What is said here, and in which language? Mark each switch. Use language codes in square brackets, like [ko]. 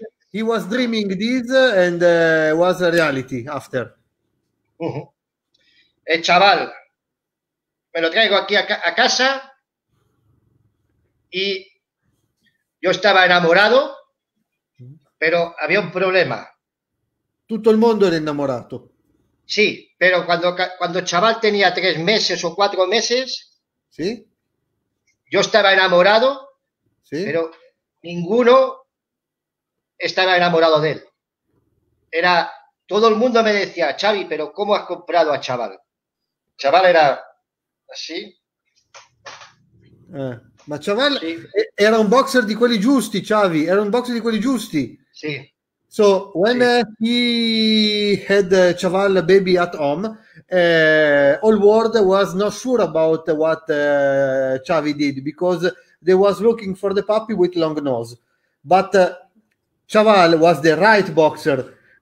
[en] He was dreaming this and was a reality after. Uh-huh. [es] Chaval, me lo traigo aquí a casa y yo estaba enamorado, pero había un problema. [it] Tutto il mondo era innamorato. [es] Sí, pero cuando Chaval tenía 3 meses o 4 meses, ¿sí? Yo estaba enamorado, ¿sí? Pero ninguno estaba enamorado de él. Era Todo el mundo me decía, Xavi, pero ¿cómo has comprado a Chaval? Chaval era así. [it] Ma Chaval sí. Era un boxer di quelli giusti, Xavi, era un boxer di quelli giusti. Sì. [en] So, when sì. He had Chaval baby at home, all world was not sure about what Xavi did because they was looking for the puppy with long nose. But Chaval was the right boxer.